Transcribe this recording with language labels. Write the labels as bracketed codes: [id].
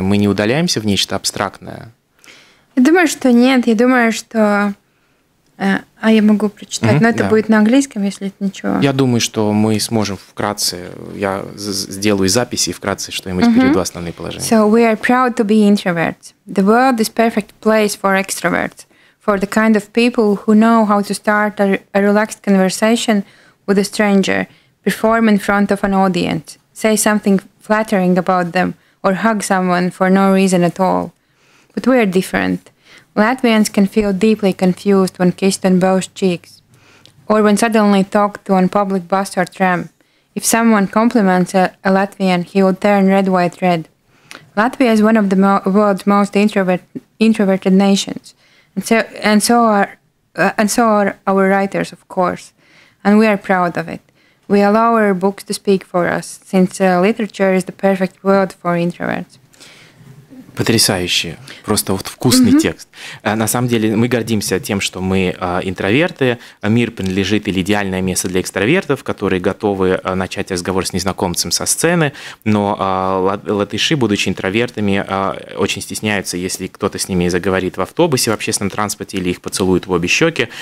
[ru] Мы не удаляемся в нечто абстрактное? Я думаю, что нет. Я думаю, что... А я могу прочитать, но это будет на английском, если это ничего. Я думаю, что мы сможем вкратце, я сделаю записи и вкратце что-нибудь переведу основные положения. [en] So we are proud to be introverts. The world is perfect place for extroverts, for the kind of people who know how to start a relaxed conversation with a stranger, perform in front of an audience, say something flattering about them, or hug someone for no reason at all. But we are different. Latvians can feel deeply confused when kissed on both cheeks, or when suddenly talked to on public bus or tram. If someone compliments a Latvian, he will turn red, white, red. Latvia is one of the world's most introverted nations, and so are our writers, of course, and we are proud of it. We allow our books to speak for us, since literature is the perfect world for introverts. [ru] Потрясающе. Просто вот вкусный текст. На самом деле мы гордимся тем, что мы интроверты. Мир принадлежит или идеальное место для экстравертов, которые готовы начать разговор с незнакомцем со сцены. Но латыши, будучи интровертами, очень стесняются, если кто-то с ними заговорит в автобусе, в общественном транспорте или их поцелуют в обе щеки.